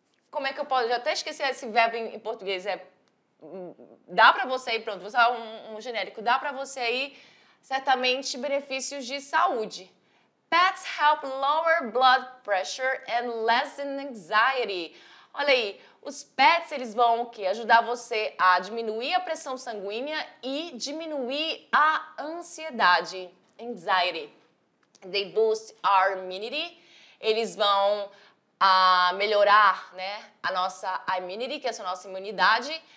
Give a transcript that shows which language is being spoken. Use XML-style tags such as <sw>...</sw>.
<pt>como é que eu posso... Já até esqueci esse verbo em português. Dá para você aí, pronto, vou usar um genérico. Dá para você aí, certamente, benefícios de saúde.</pt> <en>Pets help lower blood pressure and lessen anxiety.</en> <pt>Olha aí, os pets, eles vão o quê? Ajudar você a diminuir a pressão sanguínea e diminuir a ansiedade, anxiety.</pt> <en>They boost our immunity.</en> <pt>Eles vão melhorar, né, a nossa immunity, que é a nossa imunidade.</pt>